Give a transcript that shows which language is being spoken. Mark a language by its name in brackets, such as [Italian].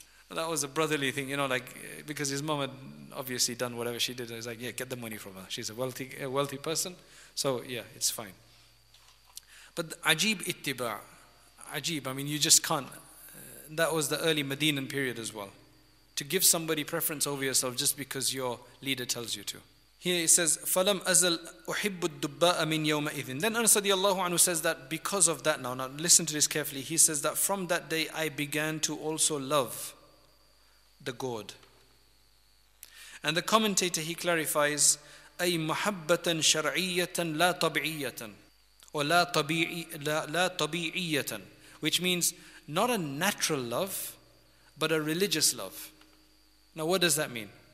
[English] That was a brotherly thing, you know, like, because his mom had obviously done whatever she did. He's like, yeah, get the money from her. She's a wealthy person. So, yeah, it's fine. But ajib ittiba, ajib, I mean, you just can't. That was the early Medinan period as well. To give somebody preference over yourself just because your leader tells you to. Here he says, [Arabic] فَلَمْ أَزَلْ أُحِبُّ الدُّبَّاءَ مِنْ يَوْمَئِذٍ. [English] Then Anas radiallahu anhu says that because of that, now listen to this carefully. He says that from that day I began to also love the gourd. And the commentator, he clarifies, [Arabic] أي مَحَبَّةً شَرْعِيَّةً لَا طَبِعِيَّةً [English] or [Arabic] لَا طَبِعِيَّةً, [English] which means not a natural love, but a religious love. Now what does that mean?